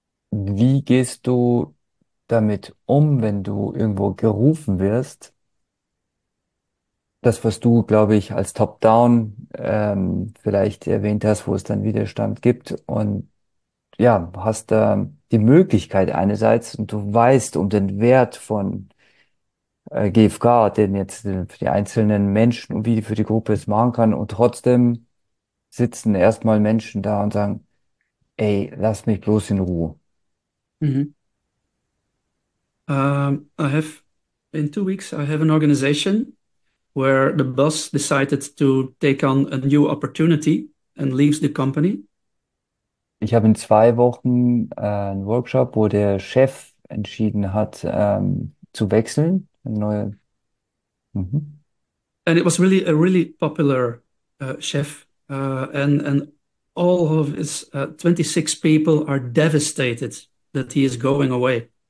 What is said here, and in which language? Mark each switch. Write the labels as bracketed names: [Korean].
[German] Wie gehst du damit um, wenn du irgendwo gerufen wirst, das, was du, glaube ich, als Top-Down vielleicht erwähnt hast, wo es dann Widerstand gibt und ja, hast da die Möglichkeit einerseits und du weißt um den Wert von GfK, den jetzt für die einzelnen Menschen und wie die für die Gruppe es machen kann und trotzdem sitzen erstmal Menschen da und sagen, ey, lass mich bloß in Ruhe. [English] I have in 2 weeks I have an organization where the boss decided to take on a new opportunity and leaves the company. [German] Ich habe in 2 Wochen einen Workshop, wo der Chef entschieden hat, zu wechseln. Eine neue. [English] And it was really a really popular chef and all of his 26 people are devastated that he is going away.